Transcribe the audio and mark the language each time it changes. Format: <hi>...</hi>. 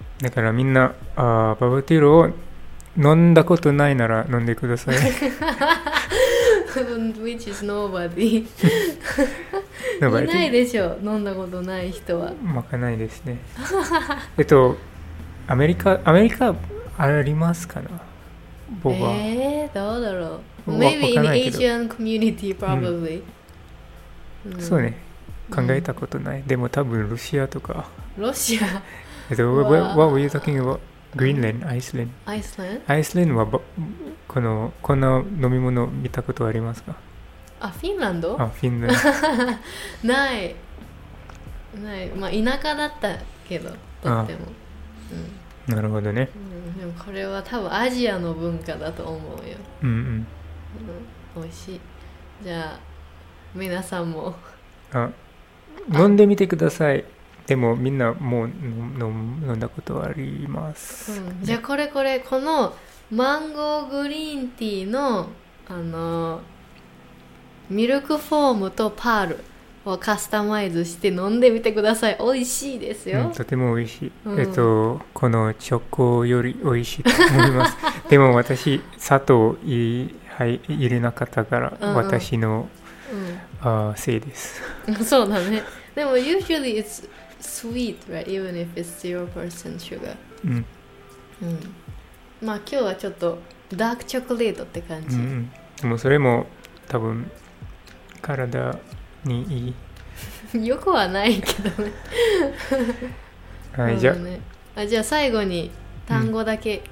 <ja>だからみんな、あ、バブルティーを飲んだことないなら飲んでください</ja> <en>Which is nobody</en> <ja>いないでしょ、飲んだことない人は。まかないですねアメリカありますかな、ボバ。どうだろう、</ja> <en>Maybe in Asian community probably、うん、</en> <ja>そうね、考えたことない、うん、でも多分ロシアとか。ロシア、</ja> <en>What were you talking about? Greenland? Iceland? Iceland?</en> <ja>Iceland はこんな飲み物見たことありますか？あ、フィンランド？あ、フィンランドないない、まあ田舎だったけど、とっても、うん、なるほどね、うん、でもこれは多分アジアの文化だと思うよ。うんうん、うん、美味しい。じゃあ皆さんも、あ、飲んでみてください。でもみんなもう飲んだことあります、うん、じゃあこれこのマンゴーグリーンティーの、ミルクフォームとパールをカスタマイズして飲んでみてください。美味しいですよ、うん、とても美味しい、うん、このチョコより美味しいと思いますでも私砂糖入れなかったから、うんうん、私の、うん、あ、せいですそうだね。でも</ja> <en>usually it's sweet, right? Even if it's 0% sugar、</en> <ja>うんうん、まあ今日はちょっとダークチョコレートって感じ、うん、でもそれも多分体にいいよくはないけどね、はい、じゃあ、 じゃあ最後に単語だけ</ja>